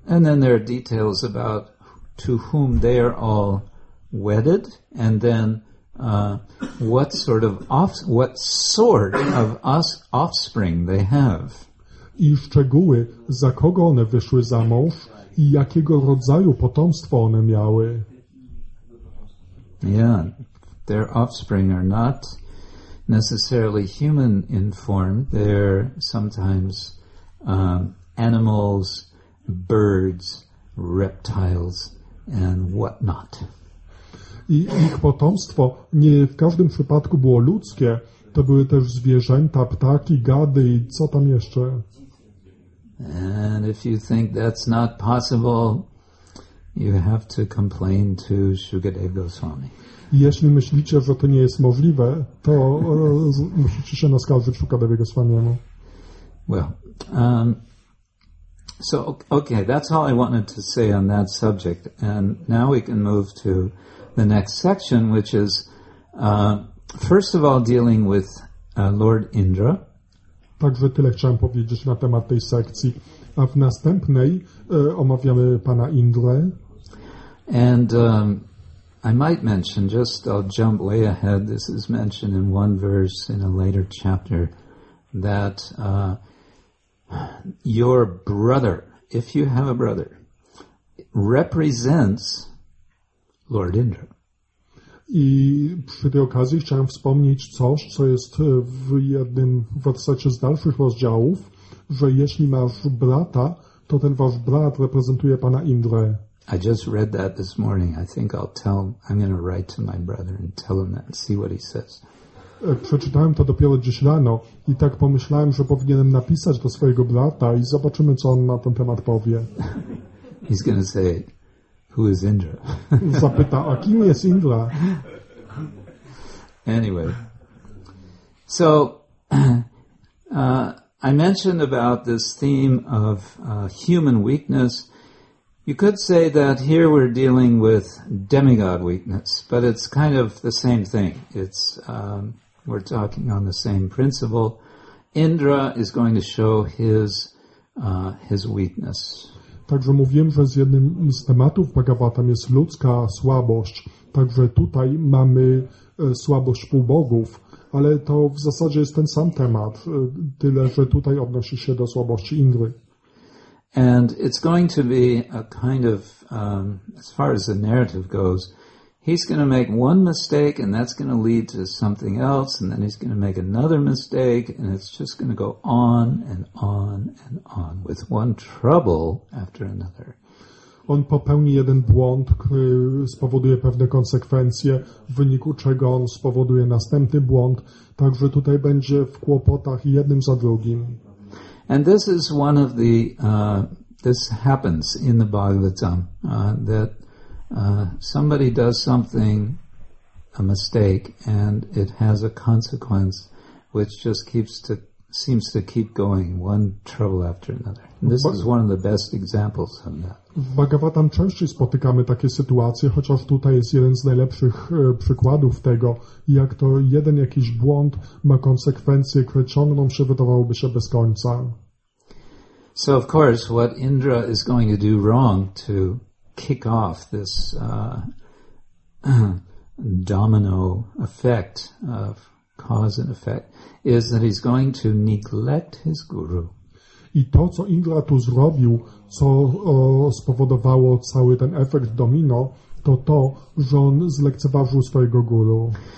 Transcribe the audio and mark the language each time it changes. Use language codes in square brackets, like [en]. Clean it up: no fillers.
[en] And then there are details about to whom they are all wedded, and then what sort of offspring they have. [pl] I szczegóły, za kogo one wyszły za mąż i jakiego rodzaju potomstwo one miały. [en] Yeah, their offspring are not necessarily human in form. They're sometimes animals, birds, reptiles, and whatnot. [pl] I ich potomstwo nie w każdym przypadku było ludzkie. To były też zwierzęta, ptaki, gady i co tam jeszcze. [en] And if you think that's not possible, you have to complain to Shukadeva Goswami. [pl] Jeśli myślicie, że to nie jest możliwe, to musicie się naskarżyć Shukadeva Goswamiemu. [en] Well, so okay, that's all I wanted to say on that subject, and now we can move to the next section, which is first of all dealing with Lord Indra. [pl] Także tyle chciałem powiedzieć na temat tej sekcji, a w następnej omawiamy pana Indrę. [en] And I might mention, just I'll jump way ahead, this is mentioned in one verse in a later chapter, that your brother, if you have a brother, represents Lord Indra. [pl] I przy tej okazji chciałem wspomnieć coś, co jest w jednym, w zasadzie z dalszych rozdziałów, że jeśli masz brata, to ten wasz brat reprezentuje pana Indrę. [en] I just read that this morning. I think I'll tell him, I'm going to write to my brother and tell him that and see what he says. [pl] Przeczytałem to dopiero dziś rano i tak pomyślałem, że powinienem napisać do swojego brata i zobaczymy, co on na ten temat powie. [en] He's going to say, who is Indra? [pl] Zapyta, a kim jest Indra? [en] Anyway. So, I mentioned about this theme of human weakness. You could say that here we're dealing with demigod weakness, but it's kind of the same thing. It's we're talking on the same principle. Indra is going to show his weakness. [pl] Także mówiłem, że z jednym z tematów Bhagavatam jest ludzka słabość. Także tutaj mamy słabość półbogów, ale to w zasadzie jest ten sam temat, tyle że tutaj odnosi się do słabości Indry. [en] And it's going to be a kind of, as far as the narrative goes, he's going to make one mistake and that's going to lead to something else and then he's going to make another mistake and it's just going to go on and on and on with one trouble after another. [pl] On popełni jeden błąd, który spowoduje pewne konsekwencje, w wyniku czego on spowoduje następny błąd, także tutaj będzie w kłopotach jednym za drugim. [en] And this is one of the this happens in the Bhagavatam that somebody does something, a mistake, and it has a consequence which just seems to keep going one trouble after another. And this is one of the best examples of that. [pl] W Bhagavatam częściej spotykamy takie sytuacje, chociaż tutaj jest jeden z najlepszych przykładów tego, jak to jeden jakiś błąd ma konsekwencje, które ciągną się, wydawałoby się, bez końca. [en] So of course, what Indra is going to do wrong to kick off this domino effect of cause and effect is that he's going to neglect his guru. [pl] I to, co Indra tu zrobił, co spowodowało cały ten efekt domino, to, że on zlekceważył swojego guru.